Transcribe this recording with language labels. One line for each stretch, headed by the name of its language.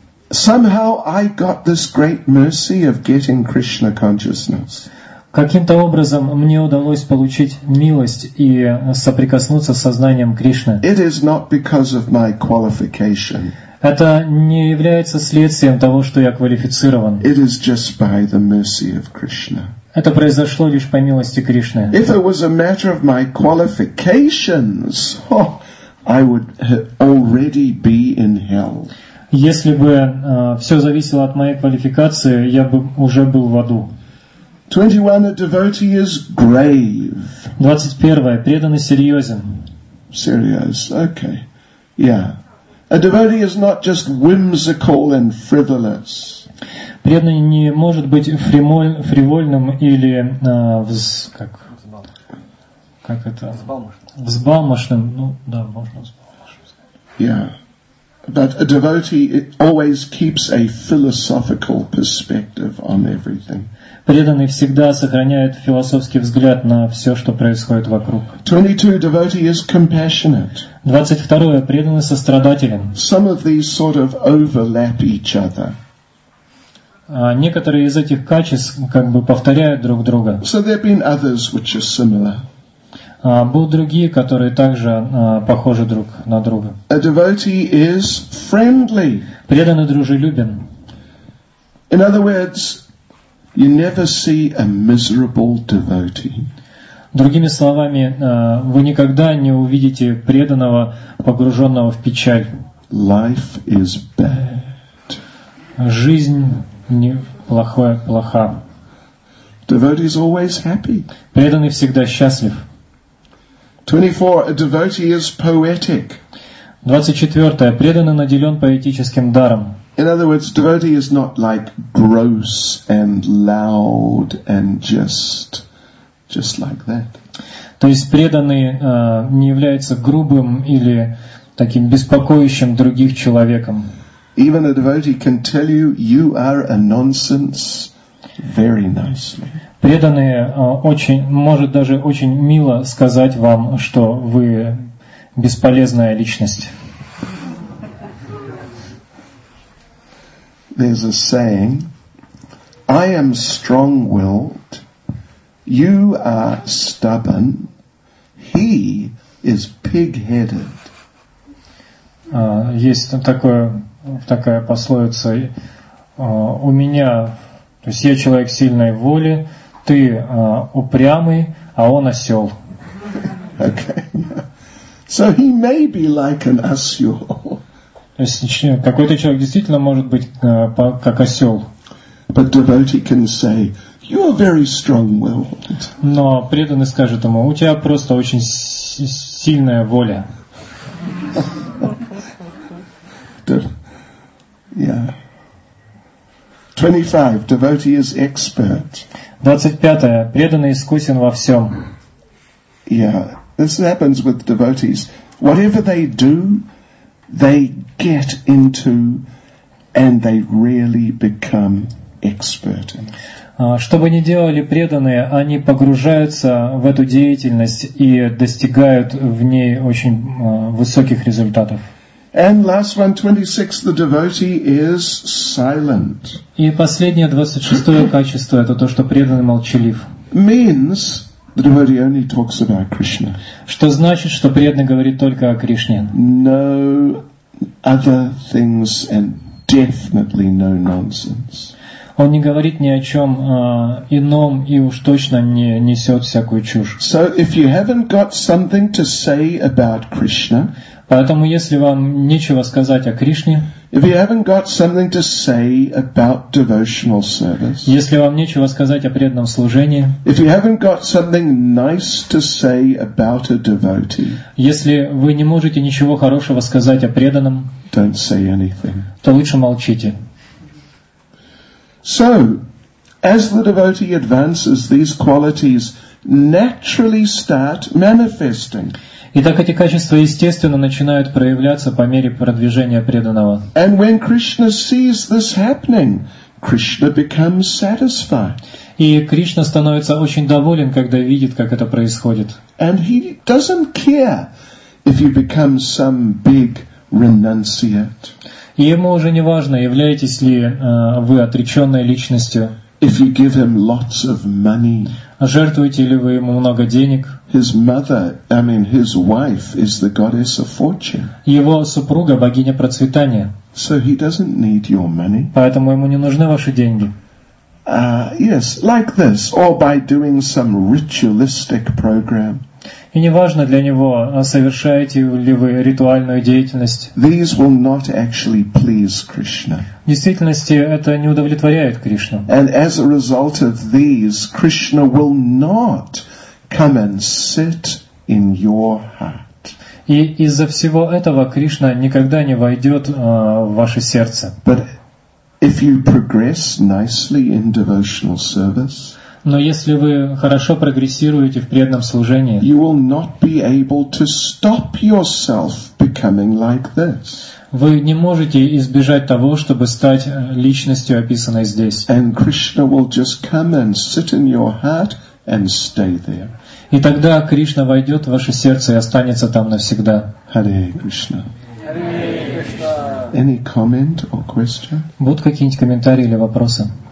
English: Somehow I got this great mercy of getting Krishna consciousness.
Russian: Каким-то образом мне удалось получить милость и соприкоснуться с сознанием Кришны.
English: It is not because of my qualification.
Russian: Это не является следствием того, что я квалифицирован.
English: It is just by the mercy of Krishna.
Russian: Это произошло лишь по милости Кришны.
English: If it was a matter of my qualifications, oh, I would already be in hell.
Russian: Если бы все зависело от моей квалификации, я бы уже был в аду.
English: 21. A devotee is grave.
Russian: 21. Преданный серьезен.
English: Serious. Okay. Yeah. A devotee is not just whimsical and frivolous.
Russian: Преданный не может быть фривольным или взбалмошным. Ну да, можно взбалмошным сказать.
English: Yeah. But a devotee always keeps a philosophical perspective on everything.
Russian: Преданный всегда сохраняет философский взгляд на все, что происходит вокруг.
English: 22. Devotee is compassionate.
Russian: 22. Преданный сострадателен.
English: Some of these sort of overlap each other.
Russian: Некоторые из этих качеств как бы повторяют друг друга.
English: So there have been others which are similar.
Russian: Будут другие, которые также похожи друг на друга.
English: A devotee is friendly.
Russian: Преданный дружелюбен.
English: In other words, you never see a miserable devotee.
Russian: Другими словами, вы никогда не увидите преданного, погруженного в печаль.
English: Life is bad.
Russian: Жизнь не плохая, плоха.
English: Devotee is always happy.
Russian: Преданный всегда счастлив.
English: 24. A devotee is poetic.
Russian: 24. Преданный наделен поэтическим даром.
English: In other words, devotee is not like gross and loud and just like that.
Russian: То есть преданный не является грубым или таким беспокоящим других человеком.
English: Even a devotee can tell you, you are a nonsense. Very nicely.
Russian: Преданный может даже очень мило сказать вам, что вы бесполезная личность.
English: There's a saying, I am strong-willed, you are stubborn, he is pig-headed.
Russian: Есть такая пословица, у меня... То есть я человек сильной воли, ты упрямый, а он осел.
English: Okay. So he may be like an asshole.
Russian: То есть какой-то человек действительно может быть как осел.
English: But devotee can say, you are very strong-willed.
Russian: Но преданный скажет ему, у тебя просто очень сильная воля.
English: Yeah. 25. Devotee is expert.
Russian: 25. Преданный искусен во всем.
English: Yeah. This happens with devotees. Whatever they do, they get into and they really become expert.
Russian: Что бы ни делали преданные, они погружаются в эту деятельность и достигают в ней очень высоких результатов.
English: And last one, 26, the devotee is silent.
Russian: И последнее, 26-е качество, это то, что преданный молчалив.
English: Means the devotee only talks about Krishna.
Russian: Что значит, что преданный говорит только о Кришне.
English: No other things and definitely no nonsense.
Russian: Он не говорит ни о чем ином и уж точно не несет всякую чушь.
English: So if you haven't got something to say about Krishna,
Russian: поэтому если вам нечего сказать о Кришне,
English: if you haven't got something to say about devotional service,
Russian: если вам нечего сказать о преданном служении,
English: if you haven't got something nice to say about a devotee,
Russian: если вы не можете ничего хорошего сказать о преданном,
English: don't say anything.
Russian: То лучше молчите.
English: So, as the devotee advances, these qualities naturally start manifesting.
Russian: Итак, эти качества естественно начинают проявляться по мере продвижения преданного.
English: And when Krishna sees this happening, Krishna becomes satisfied.
Russian: И Кришна становится очень доволен, когда видит, как это происходит.
English: And he doesn't care if you become some big renunciate.
Russian: И ему уже не важно, являетесь ли вы отреченной личностью.
English: If you give him lots of money,
Russian: жертвуете ли вы ему много денег?
English: His mother, I mean his wife, is the goddess of fortune.
Russian: Его супруга богиня процветания.
English: So he doesn't need your money.
Russian: Поэтому ему не нужны ваши деньги.
English: Yes, like this, or by doing some ritualistic program.
Russian: И не важно для него, совершаете ли вы ритуальную деятельность.
English: These will not actually please Krishna.
Russian: В действительности это не удовлетворяет Кришну.
English: And as a result of these, Krishna will not come and sit in your heart.
Russian: И из-за всего этого Кришна никогда не войдет в ваше сердце.
English: But if you progress nicely in devotional service,
Russian: но если вы хорошо прогрессируете в преданном служении,
English: you will not be able to stop yourself becoming like this.
Russian: Вы не можете избежать того, чтобы стать личностью, описанной здесь.
English: And Krishna will just come and sit in your heart and stay there.
Russian: И тогда Кришна войдет в ваше сердце и останется там навсегда.
English: Hare Krishna. Any comment or question?
Russian: Будут какие-нибудь комментарии или вопросы?